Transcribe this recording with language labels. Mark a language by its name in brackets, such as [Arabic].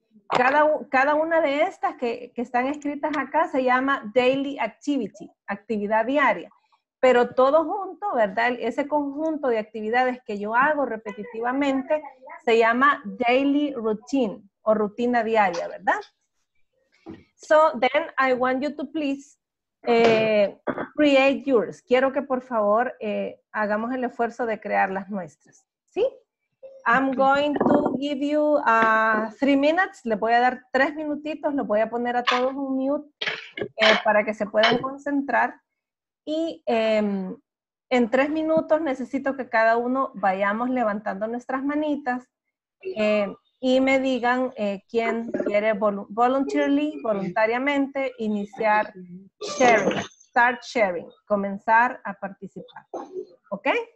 [Spanish] Cada una de estas que están escritas acá se llama daily activity, actividad diaria. Pero todo junto, ¿verdad? Ese conjunto de actividades que yo hago repetitivamente se llama daily routine o rutina diaria, ¿verdad? [English] So then I want you to please create yours. [Spanish] Quiero que por favor hagamos el esfuerzo de crear las nuestras. ¿Sí? [English] I'm going to give you 3 minutes. [Spanish] Les voy a dar 3 minutitos. Los voy a poner a todos un mute para que se puedan concentrar. Y en 3 minutos necesito que cada uno vayamos levantando nuestras manitas y me digan quién quiere voluntariamente iniciar [English] sharing, start sharing, [Spanish] comenzar a participar. ¿Ok?